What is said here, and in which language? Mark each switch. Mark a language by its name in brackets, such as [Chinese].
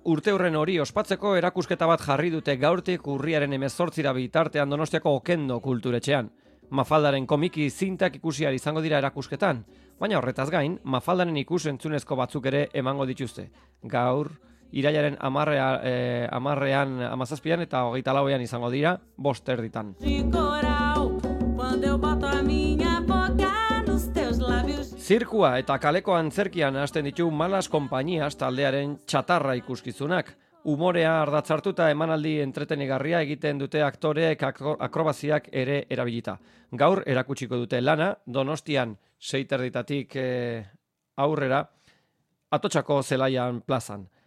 [Basque] Urte horren hori ospatzeko erakusketa bat jarri dute gaurtik urriaren 18ra bitartean Donostiako Okendo kulturetxean. Mafaldaren komiki zintak ikusiar izango dira erakusketan, baina horretaz gain, Mafaldaren ikusentzunezko batzuk ere emango dituzte. Gaur, irailaren 10ean, 17ean eta 24ean izango dira, 5:30. [Portuguese] Quando eu boto a minha boca nos teus lábios. [Basque] Zirkua eta kaleko antzerkian hasten ditu Malas Konpainiaz taldearen txatarra ikuskizunak. Umorea ardatzartuta emanaldi entretenigarria egiten dute aktoreek akrobaziak ere erabilita. Gaur erakutsiko dute lana, Donostian 6:30tik aurrera, Atotxako Zelaian plazan.